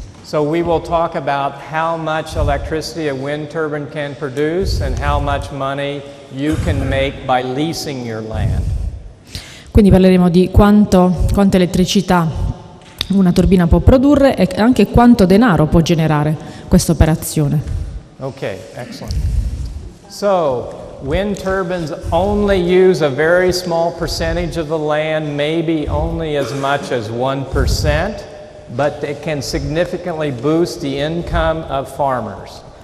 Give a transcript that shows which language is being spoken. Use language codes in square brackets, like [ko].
[en] So we will talk about how much electricity a wind turbine can produce and how much money you can make by leasing your land. [it] Quindi parleremo di quanto elettricità una turbina può produrre e anche quanto denaro può generare questa operazione. [en] Ok, excellent. So, wind turbines only use a very small percentage of the land, maybe only as much as 1%, but it can significantly boost the income of farmers.